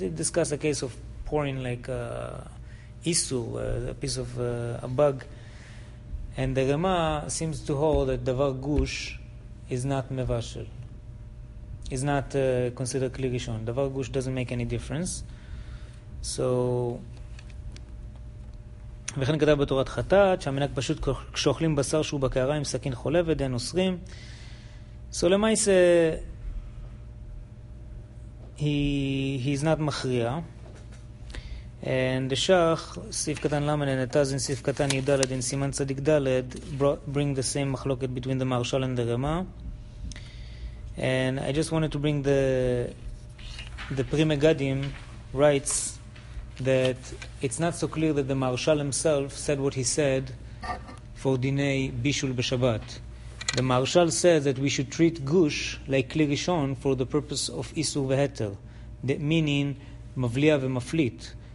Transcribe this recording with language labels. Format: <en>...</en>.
<en>It discusses a case of pouring like isur, a piece of a bug. And the Rema seems to hold that davar gush is not mevashel, is not considered kli rishon. Davar gush doesn't make any difference.</en> <he>So, וכן כתב בתורת חטאת שהמנהג פשוט כשאוכלים בשר שהוא בקערה עם סכין חולבת אין אוסרים.</he> <en>So למעשה he's not מכריע. And the שח סעיף קטן למד נתזין סעיף קטן ידלד in סימן צדיק דלד bring the same מחלוקת between the מרשל and the רמה. And I just wanted to bring the prime גדים writes that it's not so clear that the Maharshal himself said what he said for Dinei Bishul B'Shabbat. The Maharshal says that we should treat Gush like Kli Rishon for the purpose of Isur V'Heter, meaning Mavliya V'Maflit.</en>